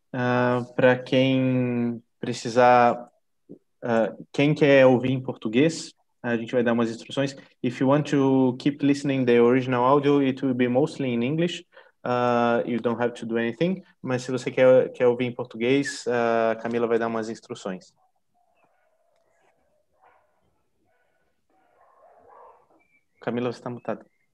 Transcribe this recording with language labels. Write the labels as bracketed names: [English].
[Portuguese] Para quem precisar, quem quer ouvir em português, a gente vai dar umas instruções. [English] If you want to keep listening the original audio, it will be mostly in English. You don't have to do anything. [Portuguese] Mas se você quer ouvir em português, Camila vai dar umas instruções. Camila, você está mutada.